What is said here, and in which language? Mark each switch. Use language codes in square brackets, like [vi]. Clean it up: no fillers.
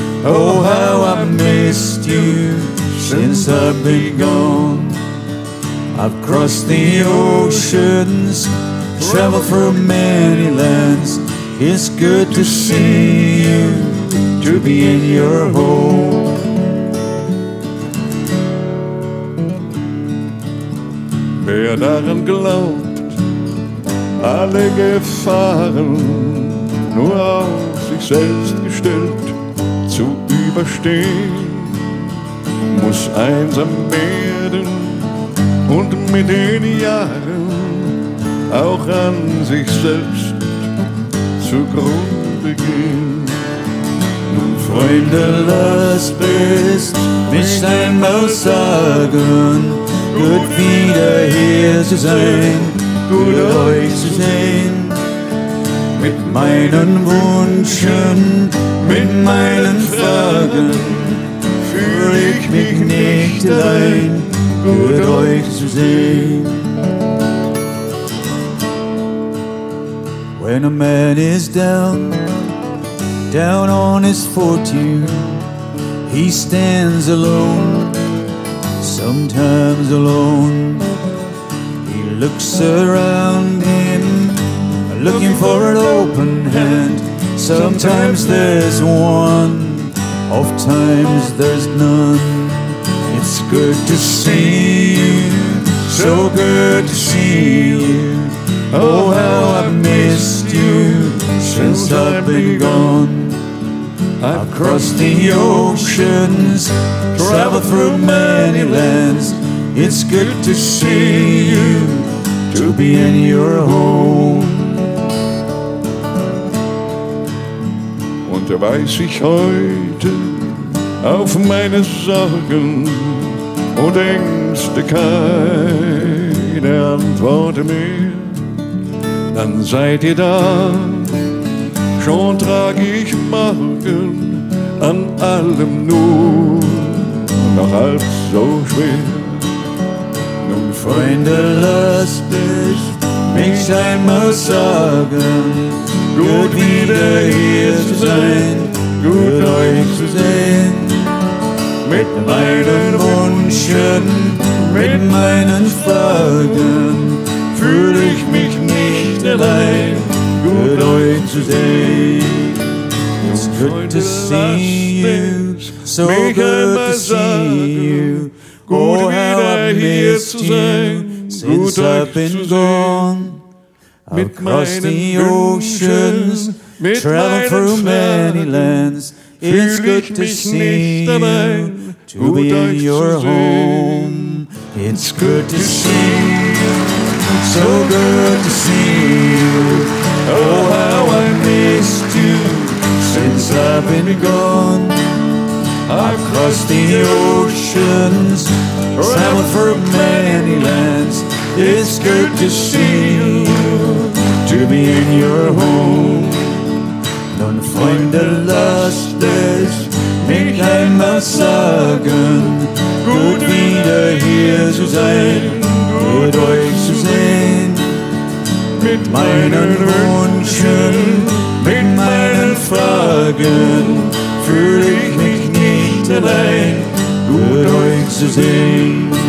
[en] Oh, how I've missed you since I've been gone. I've crossed the oceans, traveled through many lands. It's good to see you, to be in your home. [de] Wer daran glaubt, alle Gefahren nur auf sich selbst gestellt zu überstehen, muss einsam werden und mit den Jahren auch an sich selbst zugrunde gehen. Nun, Freunde, lasst es mich einmal sagen, gut wieder hier zu sein, gut euch zu sehen. Mit meinen Wünschen, mit meinen Fragen fühle ich mich nicht allein, gut euch zu sehen. [en] When a man is down, down on his fortune, he stands alone, sometimes alone. He looks around him, looking for an open hand. Sometimes there's one, oftentimes there's none. It's good to see you, so good to see you. Oh, how I've missed you since I've been gone. I've crossed the oceans, traveled through many lands. It's good to see you, to be in your home. [de] Und weiß ich heute auf meine Sorgen und Ängste keine Antwort mehr, dann seid ihr da. Schon trag ich morgen an allem nur noch halb so schwer. Nun, Freunde, lasst es mich einmal sagen, gut wieder hier zu sein, gut euch zu sehen. Mit meinen Wünschen, mit meinen Fragen fühle ich mich nicht allein, good euch zu sehen. [en] It's good to see you, so good to see you. Oh, how I missed you since I've been gone. Across the oceans, traveling through many lands. It's good to see you, to be in your home. It's good to see you, so good to see you. Oh, how I missed you since I've been gone. I've crossed the oceans, traveled through many lands. It's good to see you, to be in your home. [de] Nun, Freunde, lasst es mich einmal sagen, gut wieder hier zu sein, gut euch zu sehen. Mit meinen Wünschen, mit meinen Fragen fühle ich mich nicht allein, gut euch zu sehen.